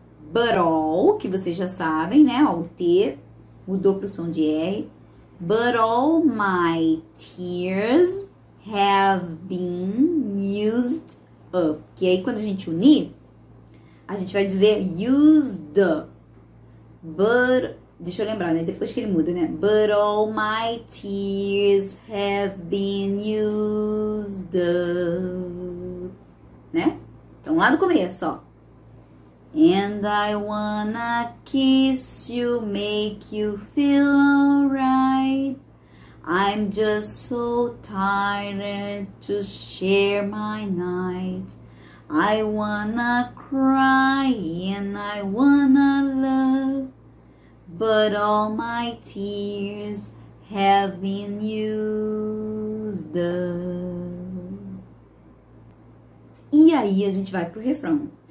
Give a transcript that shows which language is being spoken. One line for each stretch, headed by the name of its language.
English: But all,
Portuguese: que vocês já sabem, né? O T mudou pro som de R.
English: But all my tears have been used up.
Portuguese: Que aí quando a gente unir, a gente vai dizer used up. But, deixa eu lembrar, né? Depois que ele muda, né?
English: But all my tears have been used up. Né?
Portuguese: Então lá no começo, ó.
English: And I wanna kiss you, make you feel alright. I'm just so tired to share my night. I wanna cry and I wanna love. But all my tears have been used up.
Portuguese: E aí a gente vai pro refrão.